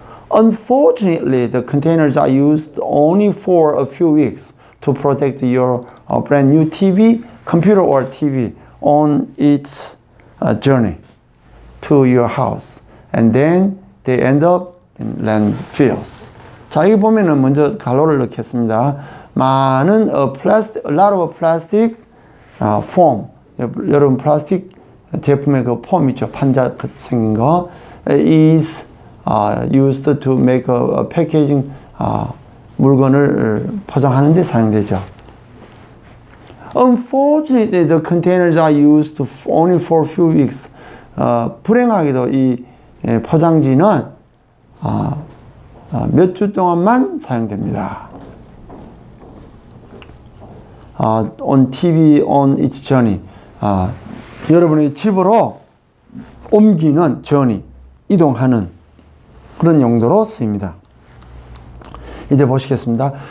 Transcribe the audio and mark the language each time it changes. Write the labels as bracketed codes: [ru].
[en] Unfortunately, the containers are used only for a few weeks to protect your brand new TV, computer or TV on its journey to your house. And then they end up in landfills. [ko] 자, 여기 보면은 먼저 가로를 넣겠습니다. 많은 [en] a lot of plastic foam. [ko] 여러분 플라스틱 제품의 그 폼 있죠. 판자 생긴 거. [en] is used to make a packaging [ko] 물건을 포장하는 데 사용되죠. [en] Unfortunately, the containers are used only for a few weeks. [ko] 불행하게도 이 포장지는 몇 주 동안만 사용됩니다. [en] On TV, on its journey. [ko] 여러분의 집으로 옮기는 journey, 이동하는 그런 용도로 쓰입니다. 이제 보시겠습니다.